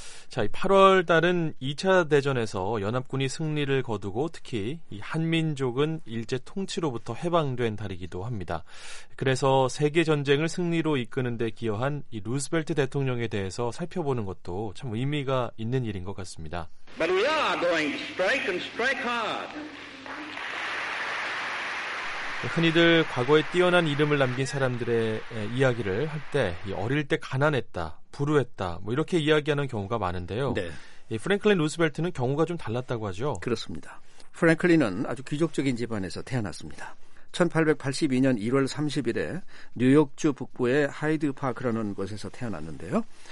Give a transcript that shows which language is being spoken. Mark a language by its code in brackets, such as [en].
[ko] 자, 8월 달은 2차 대전에서 연합군이 승리를 거두고 특히 이 한민족은 일제 통치로부터 해방된 달이기도 합니다. 그래서 세계 전쟁을 승리로 이끄는 데 기여한 이 루스벨트 대통령에 대해서 살펴보는 것도 참 의미가 있는 일인 것 같습니다. [en] But we are going to strike and strike hard. [ko] 흔히들 과거에 뛰어난 이름을 남긴 사람들의 이야기를 할 때 어릴 때 가난했다, 부루했다 뭐 이렇게 이야기하는 경우가 많은데요. 네. 이 프랭클린 루스벨트는 경우가 좀 달랐다고 하죠? 그렇습니다. 프랭클린은 아주 귀족적인 집안에서 태어났습니다. 1882년 1월 30일에 뉴욕주 북부의 하이드파크라는 곳에서 태어났는데요.